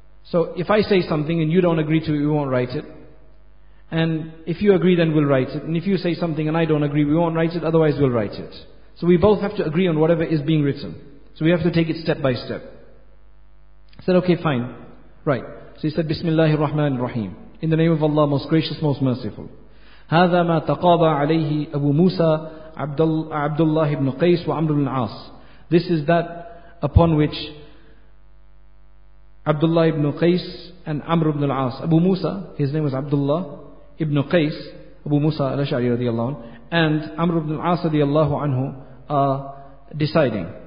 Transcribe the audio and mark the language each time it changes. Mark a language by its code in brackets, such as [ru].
[en] So if I say something and you don't agree to it, we won't write it. And if you agree, then we'll write it. And if you say something and I don't agree, we won't write it, otherwise we'll write it. So we both have to agree on whatever is being written. So we have to take it step by step. He said, okay, fine. Right. So he said, Bismillahir Rahmanir Rahim. In the name of Allah, most gracious, most merciful. [ar] هذا ما تقاضى عليه أبو موسى عبد الله بن قيس وعمر بن العاص. [en] This is that upon which Abdullah ibn Qais and Amr ibn al-As, Abu Musa, his name was Abdullah ibn Qais, Abu Musa al-Ash'ari radiallahu anhu, and Amr ibn al-As radiallahu anhu are deciding.